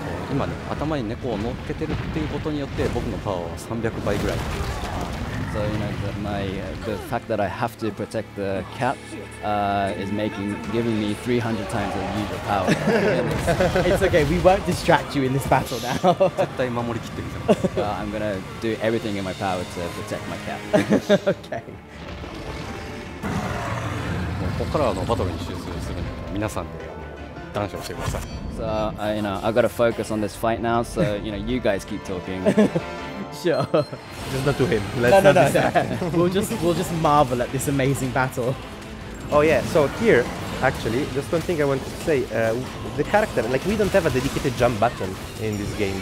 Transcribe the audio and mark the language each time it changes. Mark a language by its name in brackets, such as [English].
[Japanese] 今ね、頭に猫を乗っけてるっていうことによって僕のパワーは300倍ぐらい。 [English] So you know, the fact that I have to protect the cat is giving me 300 times the usual power. It's okay, we won't distract you in this battle now. [Japanese] 絶対守りきってみた [English] い。I'm gonna do everything in my power to protect my cat. Okay. [Japanese] ここからバトルに集中するので、皆さんで談笑してください。 [English] You know, I've got to focus on this fight now, so you know, you guys keep talking. Sure. Just not to him. Let's not distract him. We'll just marvel at this amazing battle. Oh yeah, so here, actually, just one thing I wanted to say. The character, like we don't have a dedicated jump button in this game.